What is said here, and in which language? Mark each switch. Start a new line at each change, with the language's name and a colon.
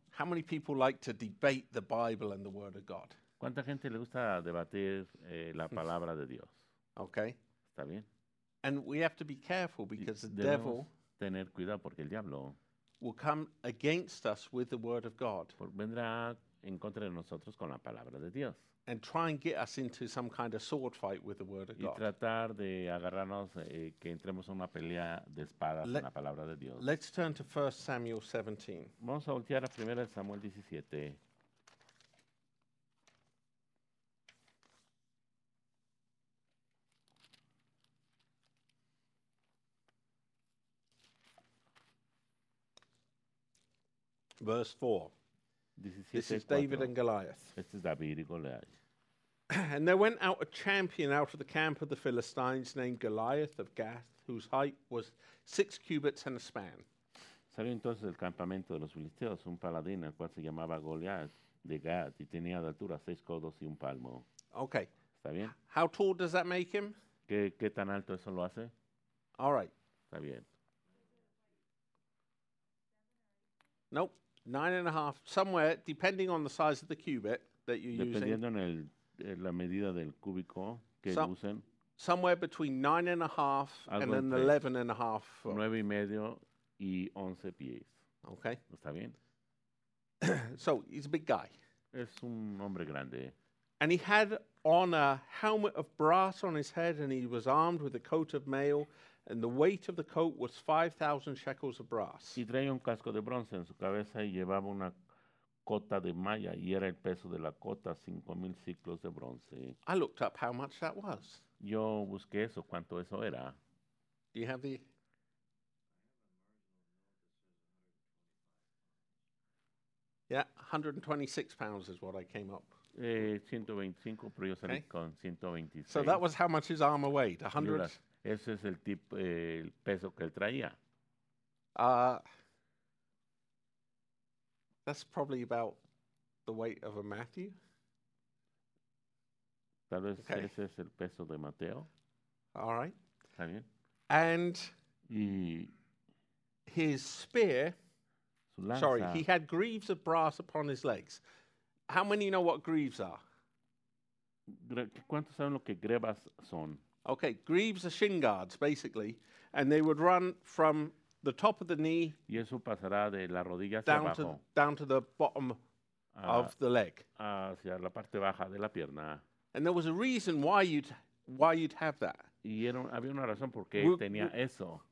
English: How many people like to debate the Bible and the word of God?
Spanish: ¿Cuánta gente le gusta debatir la palabra de Dios?
English: Okay.
Spanish: ¿Está bien?
English: And we have to be careful because the devil
Spanish: tener cuidado porque el diablo
English: will come against us with the word of God.
Spanish: Vendrá en contra de nosotros con la palabra de Dios.
English: And try and get us into some kind of sword fight with the word of God.
Spanish: Y tratar de agarrarnos que entremos en una pelea de espadas con la palabra de Dios.
English: Let's turn to 1 Samuel 17.
Spanish: Vamos a voltear a 1 Samuel 17.
English: Verse 4. 17, this is David 4. And Goliath.
Spanish: Este es David y Goliath.
English: And there went out a champion out of the camp of the Philistines named Goliath of Gath, whose height was 6 cubits and a span.
Spanish: Salió entonces del campamento de los filisteos un paladín, el cual se llamaba Goliath de Gath, y tenía de altura 6 codos y 1 palmo.
English: Okay.
Spanish: ¿Está bien?
English: How tall does that make him?
Spanish: ¿Qué tan alto eso lo hace?
English: All right.
Spanish: Está bien.
English: Nope, 9.5, somewhere, depending on the size of the cubit that you're
Spanish: dependiendo
English: using.
Spanish: Dependiendo en la medida del cúbico que usen.
English: Somewhere between 9.5 and an 11.5.
Spanish: 9.5 y 11 pies.
English: Okay.
Spanish: Está bien.
English: So, he's a big guy.
Spanish: Es un hombre grande.
English: And he had on a helmet of brass on his head, and he was armed with a coat of mail. And the weight of the coat was 5,000 shekels of brass.
Spanish: Y traía un casco de bronce en su cabeza y llevaba una cota de malla y era el peso de la cota 5,000 siclos de bronce.
English: I looked up how much that was.
Spanish: Yo busqué eso, cuánto eso era.
English: Do you have the? Yeah, 126 pounds is what I came up.
Spanish: 125, pero yo salí con 126.
English: So that was how much his armor weighed, 100.
Spanish: Ese es el tipo, el peso que él traía.
English: That's probably about the weight of a Matthew.
Spanish: Tal vez ese es el peso de Mateo.
English: All right.
Spanish: ¿Está bien?
English: And his spear,
Spanish: su lanza.
English: Sorry, he had greaves of brass upon his legs. How many know what greaves are?
Spanish: ¿Cuántos saben lo que grebas son?
English: Okay, greaves are shin guards, basically, and they would run from the top of the knee
Spanish: y eso pasará de la rodilla hacia
English: down,
Spanish: abajo.
English: To, down to the bottom of the leg.
Spanish: Hacia la parte baja de la pierna.
English: And there was a reason why you'd have that.
Spanish: Y había una razón por qué tenía eso.